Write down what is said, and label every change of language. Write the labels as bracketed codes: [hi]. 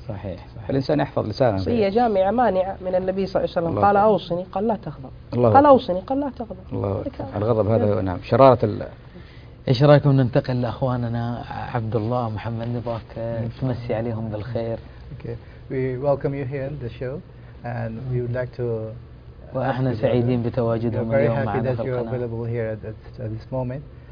[ar] صحيح. الإنسان يحفظ لسانه. هي جامعة مانعة من النبي صلى الله عليه وسلم، قال أوصني قال لا تغضب. الله. قال أوصني قال لا تغضب. الله. الغضب هذا نعم شرارة ال. إيش رأيكم ننتقل لأخواننا عبد الله محمد نبغاك تمسي عليهم بالخير. [en] Okay. We welcome you here the show and we would like to [ar] واحنا سعيدين بتواجدهم اليوم معنا في القناة. [en] Very happy that you're available here at this moment.